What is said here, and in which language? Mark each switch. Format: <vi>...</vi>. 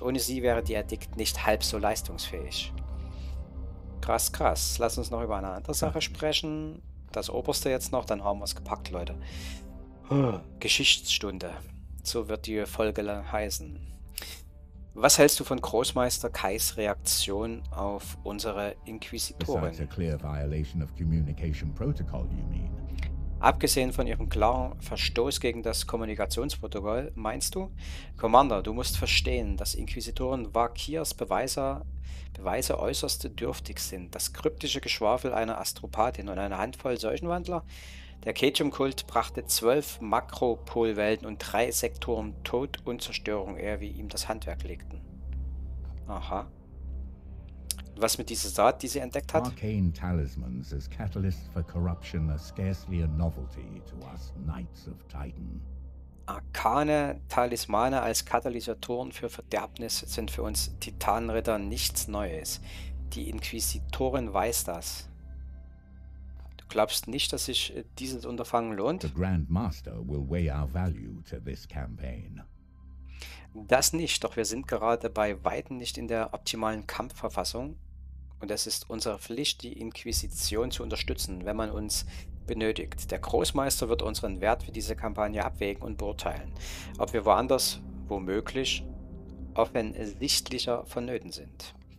<de>Ohne sie wäre die Edikt nicht halb so leistungsfähig. Krass, krass. Lass uns noch über eine andere Sache sprechen. Das Oberste jetzt noch, dann haben wir es gepackt, Leute. Geschichtsstunde. So wird die Folge heißen. Was hältst du von Großmeister Kais Reaktion auf unsere Inquisitorin?</de> <en>Besides a clear violation of communication protocol, you mean?</en> <de>Abgesehen von ihrem klaren Verstoß gegen das Kommunikationsprotokoll, meinst du? Commander, du musst verstehen, dass Inquisitoren Vakirs Beweise äußerst dürftig sind. Das kryptische Geschwafel einer Astropathin und eine Handvoll Seuchenwandler? Der Ketchum-Kult brachte 12 Makropolwelten und 3 Sektoren Tod und Zerstörung, eher wie ihm das Handwerk legten. Aha. Was mit dieser Saat, die sie entdeckt hat?</de> <en>Arcane Talismans as catalysts for corruption are scarcely a novelty to us Knights of Titan.</en> <de>Arkane Talismane als Katalysatoren für Verderbnis sind für uns Titanritter nichts Neues. Die Inquisitorin weiß das. Glaubst nicht, dass sich dieses Unterfangen lohnt?</de> <en>The Grand Master will weigh our value to this campaign.</en> <de>Das nicht, doch wir sind gerade bei Weitem nicht in der optimalen Kampfverfassung. Und es ist unsere Pflicht, die Inquisition zu unterstützen, wenn man uns benötigt. Der Großmeister wird unseren Wert für diese Kampagne abwägen und beurteilen, ob wir woanders, womöglich, offensichtlicher vonnöten sind.</de>